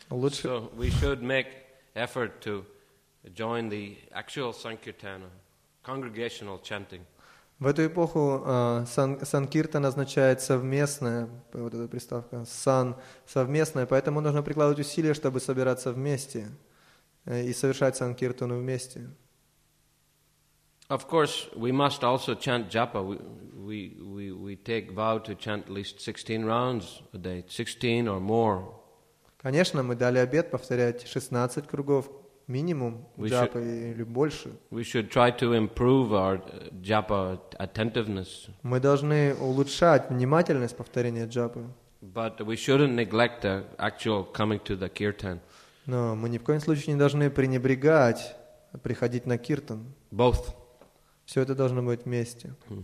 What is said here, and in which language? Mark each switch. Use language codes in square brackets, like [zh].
[en] So we should make effort to join the actual Sankirtana, congregational chanting. [ru] В эту эпоху санкиртан означает совместное, вот эта приставка, сан, совместное, поэтому нужно прикладывать усилия, чтобы собираться вместе и совершать санкиртану вместе. [en] Of course, we must also chant japa. We take vow to chant at least 16 rounds a day, 16 or more. [ru] Конечно, мы дали обет повторять 16 кругов. Минимум джапа или больше. [en] We should try to improve our japa attentiveness. [ru] Мы должны улучшать внимательность повторения джапы. [en] But we shouldn't neglect the actual coming to the kirtan. [ru] Но мы ни в коем случае не должны пренебрегать приходить на киртан. [en] Both. [ru] Все это должно быть вместе.